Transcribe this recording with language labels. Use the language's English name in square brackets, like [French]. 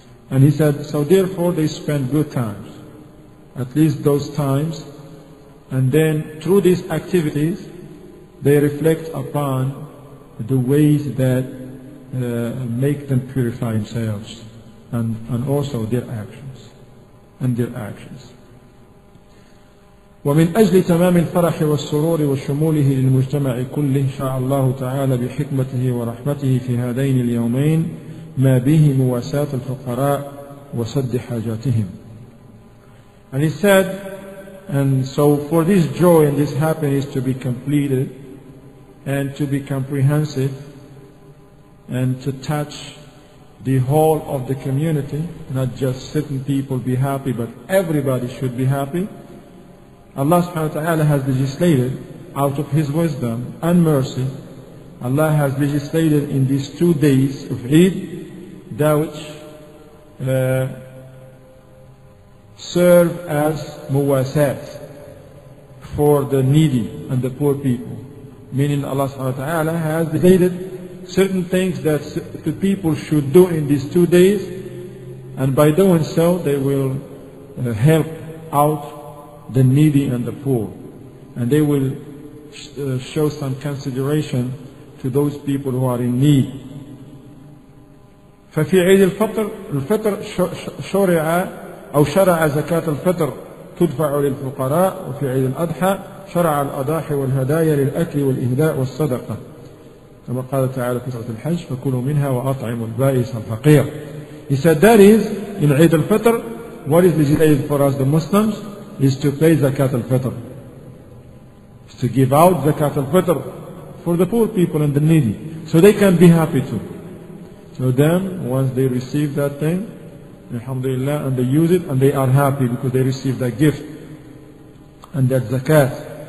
[English] And he said, so therefore they spend good times, at least those times, and then through these activities, they reflect upon the ways that make them purify themselves, and also their actions, and their actions. [Arabic] ومن أجل تمام الفرح والسرور وشموله للمجتمع كله إن شاء الله تعالى بحكمته ورحمته في هذين اليومين ما به مواساة الفقراء وسد حاجاتهم. [English] And he said, and so for this joy and this happiness to be completed and to be comprehensive and to touch the whole of the community, not just certain people be happy, but everybody should be happy, Allah subhanahu wa ta'ala has legislated out of His wisdom and mercy. Allah has legislated in these 2 days of Eid that which serve as muwasat for the needy and the poor people. Meaning Allah subhanahu wa ta'ala has legislated certain things that the people should do in these 2 days, and by doing so they will help out the needy and the poor, and they will show some consideration to those people who are in need. [Arabic] ففي عيد الفطر الفطر شرع أو شرع زكاة الفطر تدفع للفقراء وفي عيد الأضحى شرع الأضاحي والهدايا للأكل والإهداء والصدقة كما قال تعالى في سورة الحج فكلوا منها وأطعموا البائس الفقير. [English] He said that is in عيد الفطر what is legislated for us the Muslims is to pay Zakat al-Fitr, is to give out Zakat al-Fitr for the poor people and the needy, so they can be happy too. So then, once they receive that thing, alhamdulillah, and they use it, and they are happy because they receive that gift and that Zakat.